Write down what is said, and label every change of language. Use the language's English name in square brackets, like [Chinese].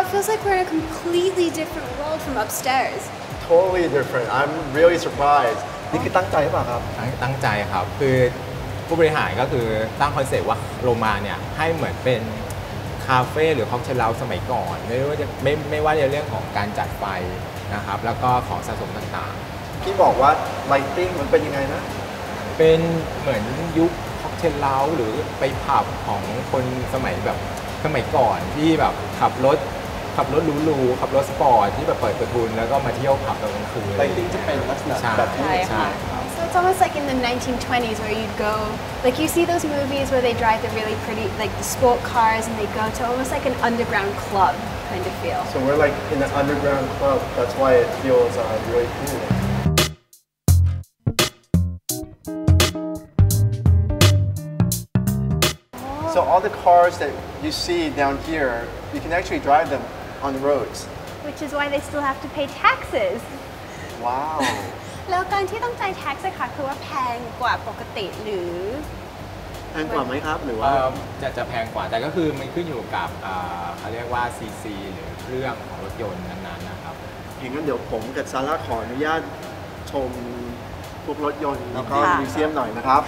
[English] like we're in a completely different world from upstairs. Totally different. I'm really surprised. [Thai] นี่คือตั้งใจหรือเปล่าครับ ตั้งใจครับคือผู้บริหารก็คือตั้งคอนเซ็ปต์ว่าโรมาเนี่ยให้เหมือนเป็นคาเฟ่หรือค็อกเทลเลาสมัยก่อนไม่ว่าจะเรื่องของการจัดไฟนะครับแล้วก็ของสะสมต่าง ๆพี่บอกว่าไลติ้งมันเป็นยังไงนะ เป็นเหมือนยุคค็อกเทลเลาหรือไปผับของคนสมัยก่อนที่แบบขับรถหรูๆขับรถสปอร์ตที่แบบเปิดประตูแล้วก็มาเที่ยวผับตอนกลางคืน ไลติ้งจะเป็นลักษณะแบบนี้ใช่ใช่ [English] So it's almost like in the 1920s where you'd go, like you see those movies where they drive the really pretty, like the sport cars and they go to almost like an underground club kind of feel. So we're like in an underground club, that's why it feels really cool. So all the cars that you see down here, you can actually drive them on the roads. Which is why they still have to pay taxes. Wow. [Thai] แล้วการที่ต้องจ่ายแท็กซ์ค่ะคือว่าแพงกว่าปกติหรือ แพงกว่าไหมครับหรือว่า จะแพงกว่าแต่ก็คือมันขึ้นอยู่กับเขาเรียกว่าซีซีหรือเครื่องของรถยนต์นั้นๆนะครับ อย่างนั้นเดี๋ยวผมกับซาร่าขออนุญาตชมพวกรถยนต์แล้วก็มิวเซียมหน่อยนะครับ